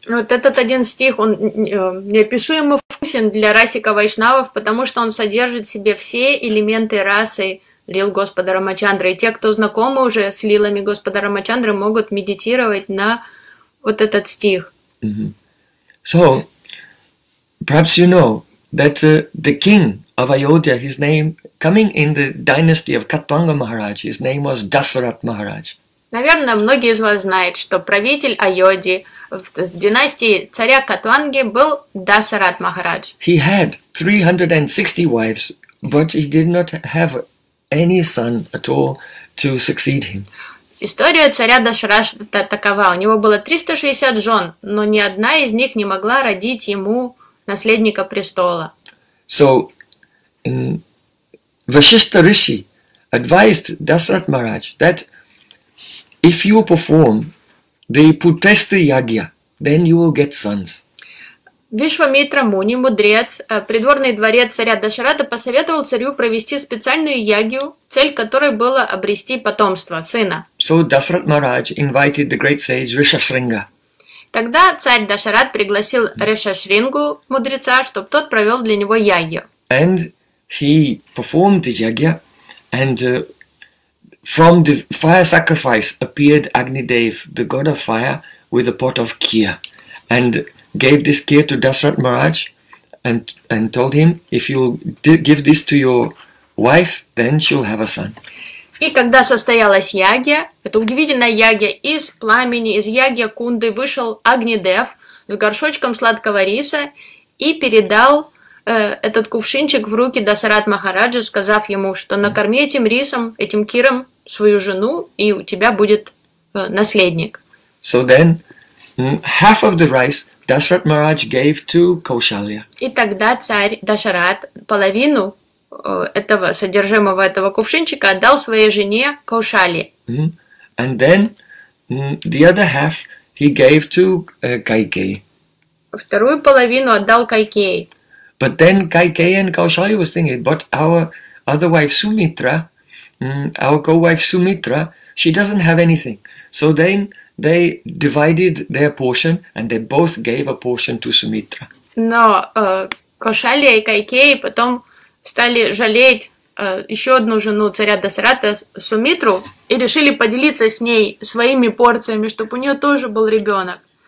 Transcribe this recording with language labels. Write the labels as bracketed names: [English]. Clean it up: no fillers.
[Russian] Вот этот один стих, он неописуемо вкусен для расика Вайшнавов, потому что он содержит в себе все элементы расы лил Господа Рамачандры. И те, кто знакомы уже с лилами Господа Рамачандры, могут медитировать на вот этот стих. Mm-hmm. [English] So, perhaps you know that the king of Ayodhya, his name, coming in the dynasty of Katvanga Maharaj, his name was Dasarat Maharaj. [Russian] Наверное, многие из вас знают, что правитель Айодхи в династии царя Катванги был Дасарат Махарадж. [English] He had 360 wives, but he did not have any son at all to succeed him. [Russian] История царя Дашарата такова. У него было 360 жен, но ни одна из них не могла родить ему наследника престола. [English] So, Vashishtha Rishi advised Dasarat Maharaj that if you perform the Putestha Yagya, then you will get sons. [Russian] Вишвамитра Муни, мудрец, придворный дворец царя Дашарата, посоветовал царю провести специальную ягью, цель которой была обрести потомство, сына. [English] So Dasarat Maharaj invited the great sage Ришашринга. [Russian] Тогда царь Дашарат пригласил Ришашрингу, мудреца, чтобы тот провел для него ягью. [English] And he performed the yagya, and from the fire sacrifice appeared Agnidev, the god of fire, with a pot of kheer. And gave this kheer to Dasarat Maharaj and told him, if you give this to your wife, then she'll have a son. [Russian] И когда состоялась ягья, это удивительная ягья, из пламени, из ягья кунды вышел Агнидев с горшочком сладкого риса и передал этот кувшинчик в руки Дасарат Махараджа, сказав ему, что накорми этим рисом, этим киром свою жену, и у тебя будет наследник. [English] So then, half of the rice Dasarat Maharaj gave to Kaushalya. [Russian] И тогда царь Дашарат половину этого содержимого этого кувшинчика отдал своей жене Кошали. [English] And then the other half he gave to Кайкеи. [Russian] Вторую половину отдал Кайкеи. [English] But then Кайкеи and Каушалья was thinking, but our other wife Sumitra, our co-wife Sumitra, she doesn't have anything. So then they divided their portion and they both gave a portion to Sumitra. [Russian] Но Кошалья и Кайкеи потом стали жалеть еще одну жену царя Дасарата, Сумитру, и решили поделиться с ней своими порциями, чтобы у нее тоже был ребенок.